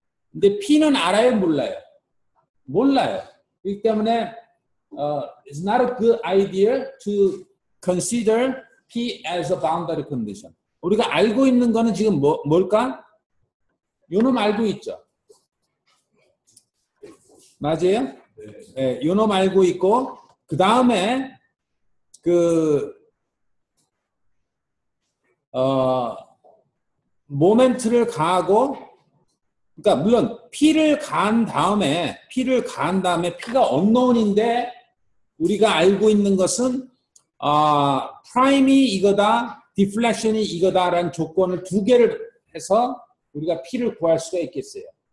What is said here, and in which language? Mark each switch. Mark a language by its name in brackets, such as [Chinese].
[Korean] 근데 p는 알아요, 몰라요? 몰라요. 그렇기 때문에 [English] it's not a good idea to consider p as a boundary condition. [Korean] 우리가 알고 있는 거는 지금 뭘까? 요놈 알고 있죠. 맞아요? 네. 네, 요놈 알고 있고 그 다음에 그 모멘트를 가하고 그러니까 물론 p를 간 다음에 p가 unknown인데 우리가 알고 있는 것은 prime이 이거다, deflection이 이거다라는 조건을 두 개를 해서 우리가 p를 구할 수가 있겠어요.